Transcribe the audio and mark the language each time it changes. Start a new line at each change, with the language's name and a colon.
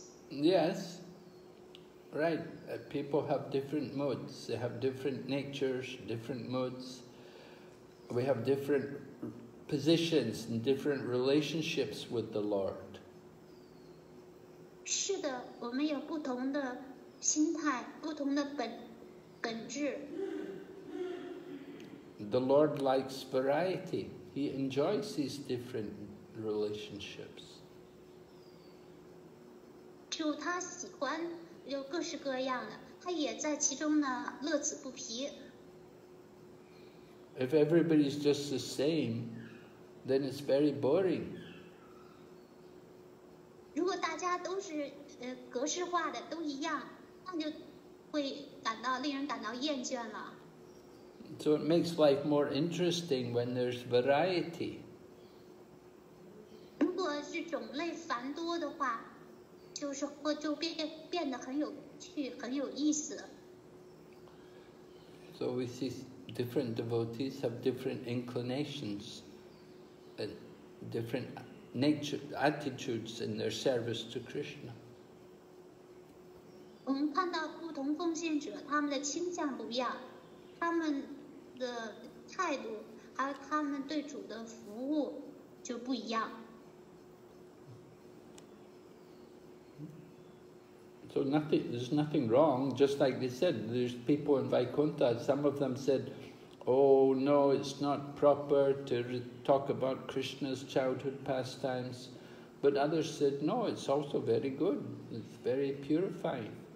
English: Yes, right. People have different moods. They have different natures, different moods. We have different positions and different relationships with the Lord.
Chinese: 是的，我们有不同的心态，不同的本质。
English: The Lord likes variety. He enjoys these different relationships.
Chinese: 主他喜欢有各式各样的，他也在其中呢乐此不疲。
English: If everybody is just the same, then it's very boring.
Chinese: 如果大家都是格式化的，都一样，那就会感到令人感到厌倦了。
English: So it makes life more interesting when there's variety.
Chinese: 如果是种类繁多的话，就是会就变得很有趣，很有意思。
English: So we see different devotees have different inclinations and different nature attitudes in their service to Krishna.
Chinese: 我们看到不同奉献者他们的倾向不一样，他们的态度还有他们对主的服务就不一样。
English: So nothing, there's nothing wrong, just like they said, there's people in Vaikuntha, some of them said, oh no, it's not proper to talk about Krishna's childhood pastimes. But others said, no, it's also very good, it's very purifying.